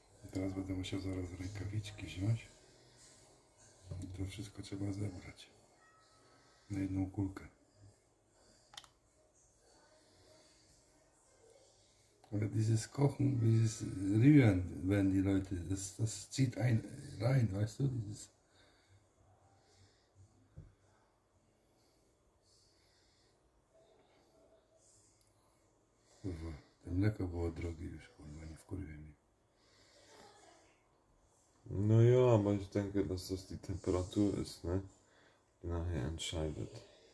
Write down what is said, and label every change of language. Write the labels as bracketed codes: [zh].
[pl] Teraz będę musiał zaraz rękawiczki wziąć. to wszystko trzeba zebrać na jedną kulkę. [de] Aber dieses Kochen, dieses Rühren, wenn die Leute, das zieht ein rein, weißt du, dieses. [pl] Kurwa, to mleko było drogie już, kurwa, nie wkurwie mnie. [de] No ja, bo ich denke, dass das die Temperatur ist, ne? Die nachher entscheidet.